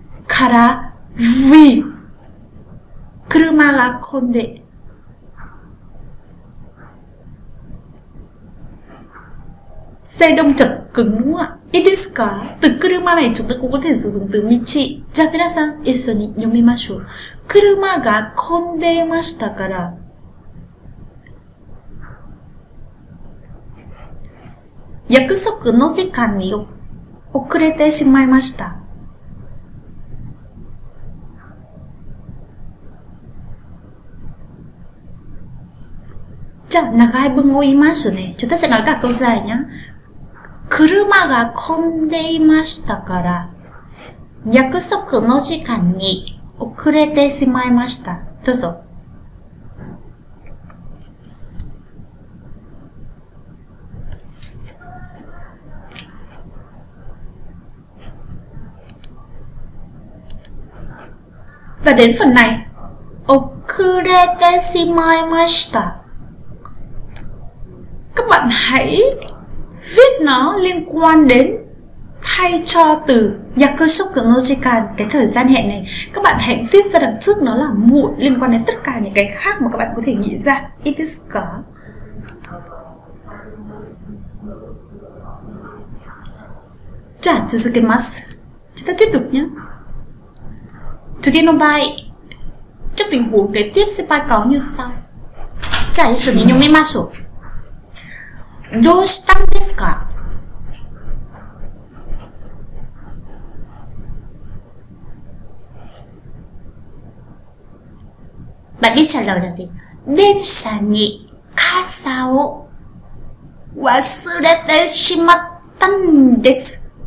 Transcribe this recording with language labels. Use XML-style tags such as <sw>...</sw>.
<ja>Kara</ja> <vi>vì</vi> <ja>kuruma ga konde.</ja> <vi>Xe đông chật cứng đúng không ạ?</vi> <ja>ですか?</ja> <vi>Từ 車 này chúng ta cũng có thể sử dụng từ 道.</vi> <ja>じゃあ皆さん一緒に読みましょう。車が混んでいましたから。約束の時間に遅れてしまいました。じゃあ長い文を言いますね。ちょっと長くさいね。車が混んでいましたから、約束の時間に遅れてしまいました。どうぞ。</ja> <vi>Và đến phần này,</vi> <ja>遅れてしまいました。</ja> <vi>Các bạn hãy viết nó liên quan đến thay cho từ</vi> <ja>約束の時間,</ja> <vi>cái thời gian hẹn này. Các bạn hãy viết ra đằng trước nó là muộn liên quan đến tất cả những cái khác mà các bạn có thể nghĩ ra. It is có.</vi> <ja>じゃあ続けます.</ja> <vi>Chúng ta tiếp tục nhé.</vi> <ja>次の場合,</ja> <vi>trong tình huống kế tiếp sẽ phải có như sau.</vi> <ja>じゃあ一緒に読みましょう。どうしたんですか?</ja> <vi>Bạn biết trả lời là gì?</vi> <ja>電車に傘を忘れてしまったんです。</ja>